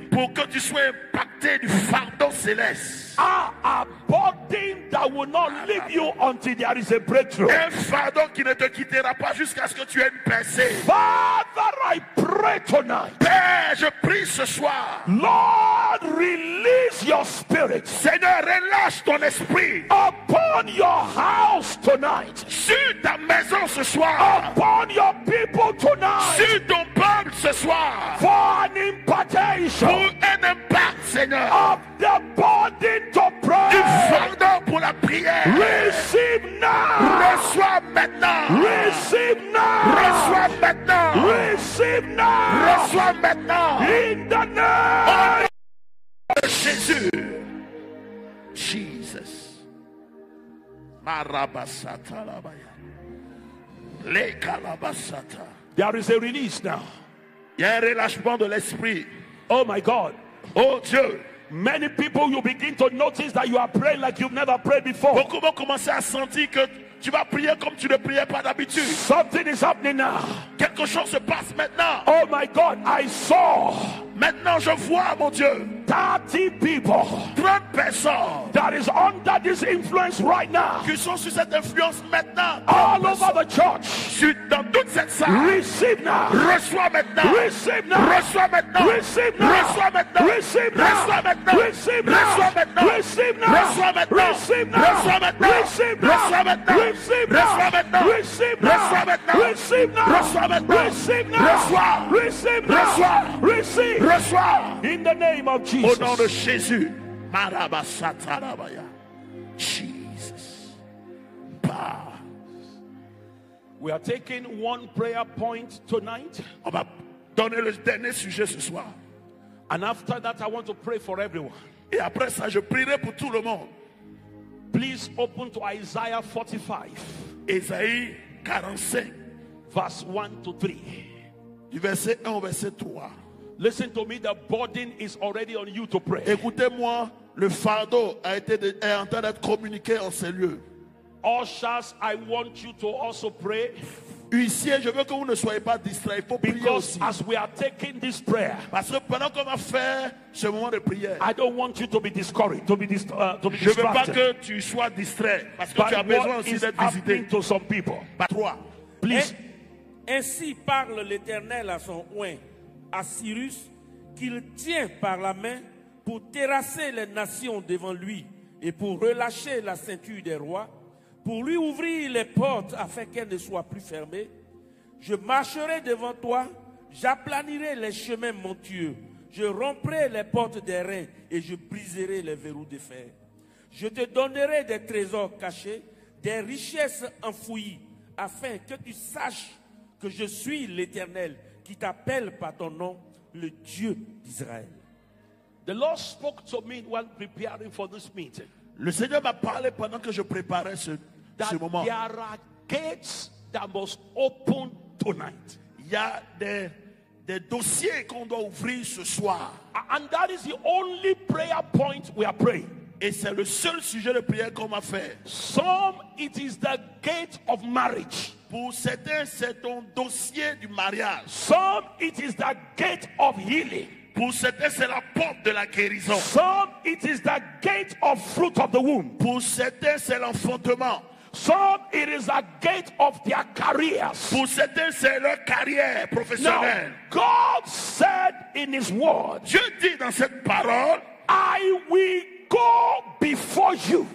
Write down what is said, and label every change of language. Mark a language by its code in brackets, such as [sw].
[fr] Pour que tu sois impacté du fardeau céleste. [en] A burden that will not leave you until there is a breakthrough. [fr] Un fardeau qui ne te quittera pas jusqu'à ce que tu aies une percée. [en] Father, I pray tonight. [fr] Père, je prie ce soir. [en] Lord, release your spirit. [fr] Seigneur, relâche ton esprit. [en] Upon your house tonight. [fr] Sur ta maison ce soir. [en] Upon your people tonight. [fr] Sur ton peuple ce soir. [en] For an impartation. [fr] Pour un impact, Seigneur. [en] Of the body. To pray. [fr] Du fardeau pour la prière. [en] Receive now. [fr] Reçois maintenant. [en] Receive now. [fr] Reçois maintenant. [en] Receive now. [fr] Reçois maintenant. [en] In the name of Jesus. Jesus. Marabasata labaya. Lekalabasata. There is a release now. [fr] Il y a un relâchement de l'esprit. [en] Oh my God. [fr] Oh Dieu. [en] Many people, you begin to notice that you are praying like you've never prayed before. [fr] Beaucoup vont commencer à sentir que tu vas prier comme tu ne priais pas d'habitude. [en] Something is happening now. [fr] Quelque chose se passe maintenant. [en] Oh my God, I saw. [fr] Maintenant, je vois, mon Dieu. [en] 30 people. [fr] 30 personnes. [en] That is under this influence right now. [fr] Qui sont sous cette influence maintenant. [en] All over the church. [fr] Dans toute cette salle. [en] Receive now. [fr] Reçois maintenant. [en] Receive now. [fr] Reçois maintenant. [en] Receive now. [fr] Reçois maintenant. [en] Receive now. [fr] Reçois maintenant. [en] Receive now. [fr] Reçois maintenant. [en] Receive now. [fr] Reçois maintenant. [en] Receive now. [fr] Reçois maintenant. [en] Receive now. [fr] Reçois maintenant. [en] Receive now. [fr] Reçois maintenant. [en] Receive now. [fr] Reçois maintenant. [en] Receive now. Receive now. [fr] Reçois. [en] Receive now. [fr] Reçois. [en] Receive. [fr] Reçois. [en] In the name of Jesus. [fr] Au nom de Jésus. Marabasatarabaya. Jesus. Bah. [en] We are taking one prayer point tonight. [fr] On va donner le dernier sujet ce soir. [en] And after that, I want to pray for everyone. [fr] Et après ça, je prierai pour tout le monde. [en] Please open to Isaiah 45. [fr] Isaïe 45. [en] Verse 1 to 3. [fr] Du verset 1 au verset 3. [en] Listen to me, the burden is already on you to pray. [fr] Écoutez-moi, le fardeau est en train d'être communiqué en ces lieux. [en] Ushers, I want you to also pray. [fr] Huissiers, je veux que vous ne soyez pas distraits. Il faut prier [en] because [fr] aussi. [en] As we are taking this prayer, [fr] parce que pendant qu'on va faire ce moment de prière, [en] I don't want you to be discouraged, [fr] je ne veux pas que tu sois distrait parce que tu as besoin aussi d'être visité. [en] To some people. [fr] Par toi, [en] please. [fr] Ainsi parle l'Éternel à son oint, à Cyrus, qu'il tient par la main pour terrasser les nations devant lui et pour relâcher la ceinture des rois. Pour lui ouvrir les portes afin qu'elles ne soient plus fermées, je marcherai devant toi, j'aplanirai les chemins montueux, je romprai les portes des reins et je briserai les verrous de fer. Je te donnerai des trésors cachés, des richesses enfouies, afin que tu saches que je suis l'Éternel qui t'appelle par ton nom, le Dieu d'Israël. [en] The Lord spoke to me while preparing for this meeting. [fr] Le Seigneur m'a parlé pendant que je préparais ce moment. [en] There are gates that must open tonight. [fr] Il y a des dossiers qu'on doit ouvrir ce soir. [en] And that is the only prayer point we are praying. [fr] Et c'est le seul sujet de prière qu'on m'a fait. [en] Some, it is the gate of marriage. [fr] Pour certains, c'est ton dossier du mariage. [en] Some, it is the gate of healing. [fr] Pour certains, c'est la porte de la guérison. [en] Some, it is the gate of fruit of the womb. [fr] Pour certains, c'est l'enfantement. [en] Some, it is the gate of their careers. [fr] Pour certains, c'est leur carrière professionnelle. [en] Now, God said in his word, [fr] Dieu dit dans cette parole, [en] I will go before you.